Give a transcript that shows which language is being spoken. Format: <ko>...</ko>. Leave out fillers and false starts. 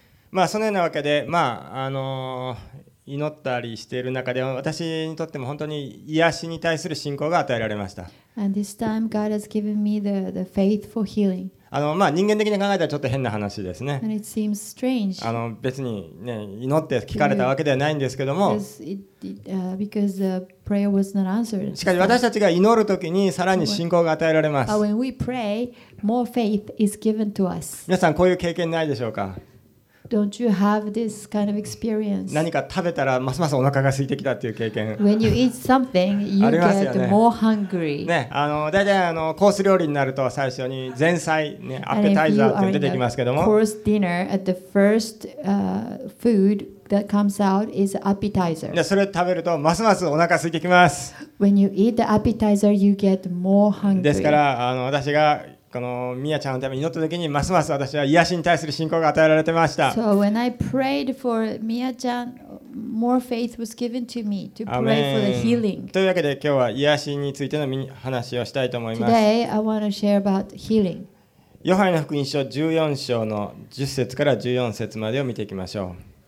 <ja>まあ、そのようなわけで、まあ祈ったりしている中で私にとっても本当に癒しに対する信仰が与えられました。</ja> <en>And this time God has given me the faith for healing.</en> <ja>まあ人間的に考えたらちょっと変な話ですね。</ja> <en>And it seems strange.</en> <ja>別にね、祈って聞かれたわけではないんですけども。</ja> <en>Because the prayer was not answered.</en> <ja>しかし私たちが祈るときにさらに信仰が与えられます。</ja> <en>When we pray, more faith is given to us.</en> <ja>皆さんこういう経験ないでしょうか？</ja> <en>Don't you have this kind of experience?</en> <ja>何か食べたらますますお腹が空いてきたっていう経験。</ja> <en>When you eat something, you get more hungry.</en> <ja>ね、大体コース料理になると最初に前菜ね、アペタイザーって出てきますけども。</ja> <en>And if you are in a course dinner, at the first food that comes out is appetizer.</en> <ja>で、それ食べるとますますお腹空いてきます。</ja> <en>When you eat the appetizer, you get more hungry.</en> <ja>ですから私がこのミヤちゃんのために祈った時にますます私は癒しに対する信仰が与えられてました。</ja> <en>So when I prayed for Mia-chan, more faith was given to me to pray for the healing.</en> <ja>というわけで今日は癒しについての話をしたいと思います。</ja> <en>Today I want to share about healing.</en> <ja>ヨハネの福音書14章の10節から14節までを見ていきましょう。</ja>